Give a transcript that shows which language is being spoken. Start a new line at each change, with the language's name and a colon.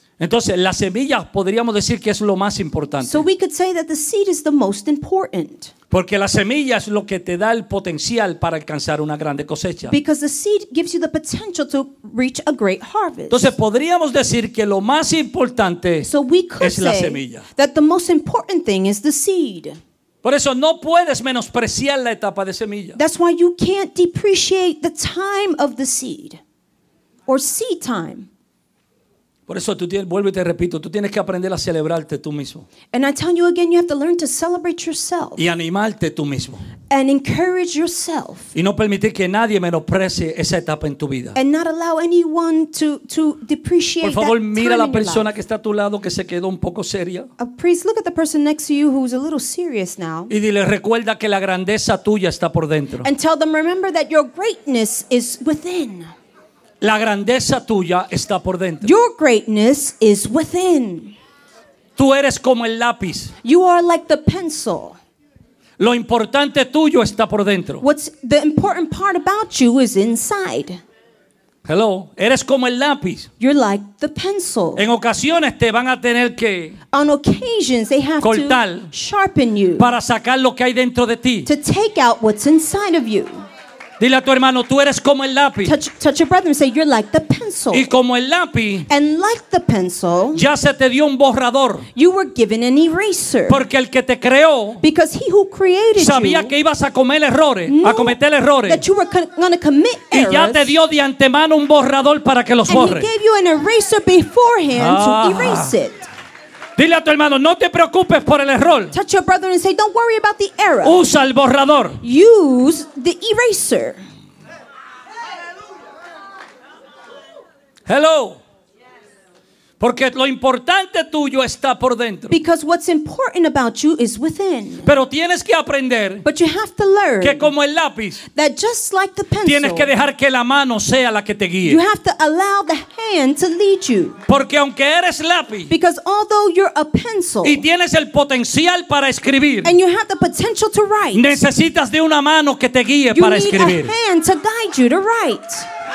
Spanish: Entonces, las semillas podríamos decir que es lo más importante.
English: So we could say that the seed is the most important.
Spanish: Porque la semilla es lo que te da el potencial para alcanzar una grande cosecha.
English: Because the seed gives you the potential to reach a great harvest.
Spanish: Entonces, podríamos decir que lo más importante
English: so we could
Spanish: es la semilla.
English: Say that the most important thing is the seed.
Spanish: Por eso no puedes menospreciar la etapa de semilla.
English: That's why you can't depreciate the time of the seed or seed time.
Spanish: Por eso tú tienes, vuelvo y te repito, tú tienes que aprender a celebrarte tú mismo.
English: And I tell you again, you have to learn to celebrate yourself.
Spanish: Y animarte tú mismo.
English: And encourage yourself.
Spanish: Y no permitir que nadie menosprecie esa etapa en tu vida.
English: And not allow anyone to depreciate.
Spanish: Por favor,
English: that
Spanish: mira
English: time
Spanish: la persona que está a tu lado que se quedó un poco seria.
English: Please look at the person next to you who's a little serious now.
Spanish: Y dile, recuerda que la grandeza tuya está por dentro.
English: And tell them, remember that your greatness is within.
Spanish: La grandeza tuya está por dentro.
English: Your greatness is within.
Spanish: Tú eres como el lápiz.
English: You are like the pencil.
Spanish: Lo importante tuyo está por dentro.
English: What's the important part about you is inside.
Spanish: Hello, eres como el lápiz.
English: You're like the pencil.
Spanish: En ocasiones te van a tener que
English: on occasions they have
Spanish: cortar
English: to sharpen you
Spanish: para sacar lo que hay dentro de ti.
English: To take out what's inside of you.
Spanish: Dile a tu hermano, tú eres como el lápiz.
English: Touch your brother and say, you're like the pencil.
Spanish: Y como el lápiz.
English: And like the pencil.
Spanish: Ya se te dio un borrador.
English: You were given an eraser.
Spanish: Porque el que te creó.
English: Because he who created you.
Spanish: Sabía que ibas a comer errores. A cometer errores.
English: That you were going to commit errors.
Spanish: Y ya te dio de antemano un borrador para que los borres.
English: And he gave you an eraser beforehand to erase it.
Spanish: Dile a tu hermano, no te preocupes por el error.
English: Touch your brother and say, don't worry about the error.
Spanish: Usa el borrador.
English: Use the eraser.
Spanish: Hello. Porque lo importante tuyo está por dentro.
English: Because what's important about you is within.
Spanish: Pero tienes que aprender.
English: But you have to learn.
Spanish: Que como el lápiz.
English: That just like the pencil.
Spanish: Tienes que dejar que la mano sea la que te guíe.
English: You have to allow the hand to lead you.
Spanish: Porque aunque eres lápiz.
English: Because although you're a pencil.
Spanish: Y tienes el potencial para escribir.
English: And you have the potential to write.
Spanish: Necesitas de una mano que te guíe
English: you
Spanish: para escribir.
English: You need a hand to guide you to write.